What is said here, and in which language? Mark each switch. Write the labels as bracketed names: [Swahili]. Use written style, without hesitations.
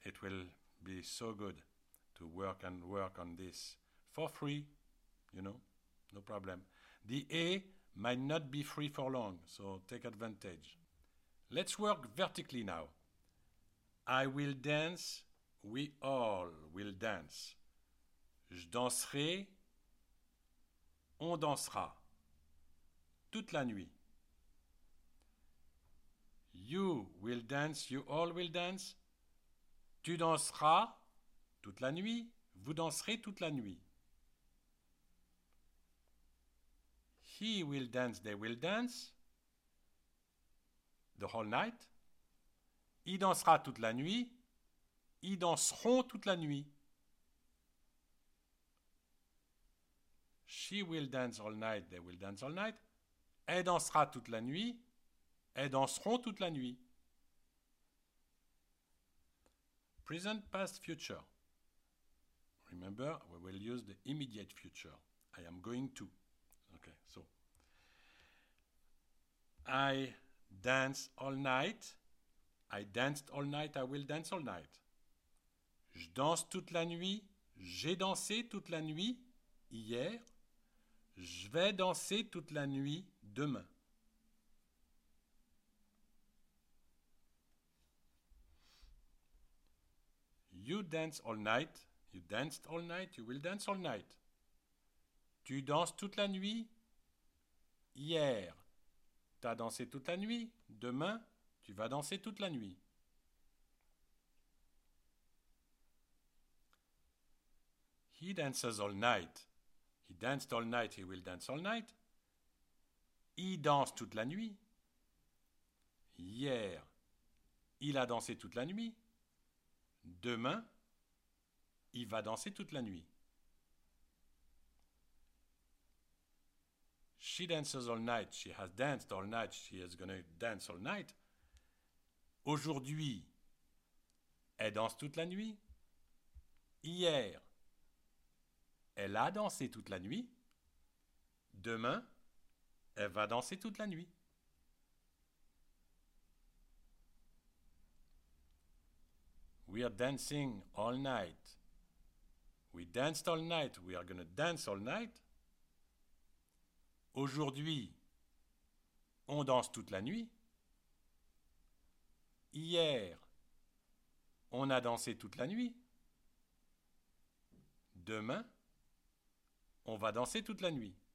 [English] It will be so good to work on this for free, you know, no problem. The E might not be free for long, so take advantage. Let's work vertically now. I will dance, we all will dance. [French] Je danserai, on dansera, toute la nuit. [English] You will dance, you all will dance. [French] Tu danseras, toute la nuit, vous danserez toute la nuit. [English] He will dance, they will dance, the whole night. [French] Il dansera toute la nuit. Ils danseront toute la nuit. [English] She will dance all night. They will dance all night. [French] Elle dansera toute la nuit. Elles danseront toute la nuit. [English] Present, past, future. Remember, we will use the immediate future. I am going to. Okay, so. I dance all night. I danced all night, I will dance all night. [French] Je danse toute la nuit, j'ai dansé toute la nuit hier. Je vais danser toute la nuit demain. [English] You dance all night, you danced all night, you will dance all night. [French] Tu danses toute la nuit hier. T'as dansé toute la nuit, demain tu vas danser toute la nuit. [English] He dances all night. He danced all night, he will dance all night. [French] Il danse toute la nuit. Hier, il a dansé toute la nuit. Demain, il va danser toute la nuit. [English] She dances all night. She has danced all night. She is going to dance all night. [French] Aujourd'hui, elle danse toute la nuit. Hier, elle a dansé toute la nuit. Demain, elle va danser toute la nuit. [English] We are dancing all night. We danced all night. We are going to dance all night. [French] Aujourd'hui, on danse toute la nuit. Hier, on a dansé toute la nuit. Demain, on va danser toute la nuit.